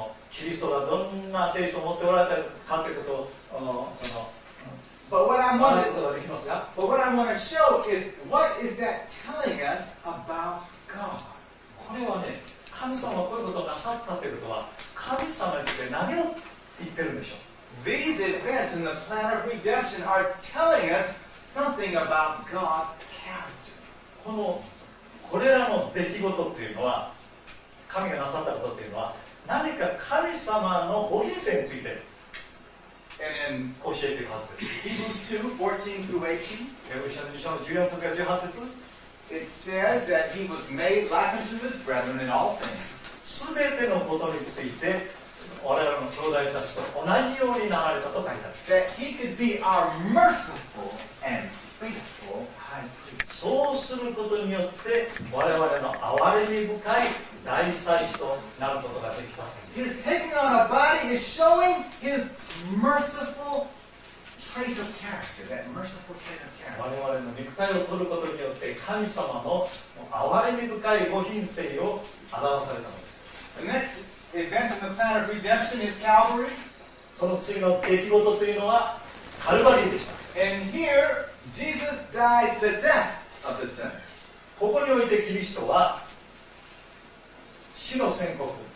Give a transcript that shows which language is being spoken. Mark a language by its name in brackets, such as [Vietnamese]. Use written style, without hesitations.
[Japanese] キリストがどんな性質を持っておられたかということを、 [English] But what I want to show is what is that telling us about God? [Japanese] これはね、神様がこういうことをなさったということは、神様について何を言ってるんでしょう。 [English] These events in the plan of redemption are telling us something about God's character. [Japanese] このこれらの出来事というのは神がなさったことっていうのは何か神様のご人生について教えているはずです。 [English] Hebrews 2:14-18 [Japanese] ヘブル書の2章の14節から18節 [English] It says that he was made like unto his brethren in all things. [Japanese] 全てのことについて我々の兄弟たちと同じようになられたと書いてある。 [English] That he could be our merciful and faithful high priest. [Japanese] そうすることによって我々の憐れみ深い大祭司となることができた。 [English] His taking on a body is showing his merciful trait of character. That merciful trait of character. [Japanese] 我々の肉体を取ることによって神様の憐れみ深いご品性を表されたのです。 [English] The next event in the plan of redemption is Calvary. [Japanese] その次の出来事というのはカルバリーでした。 [English] And here Jesus dies the death of the sinner. [Japanese] ここにおいてキリストは死の宣告。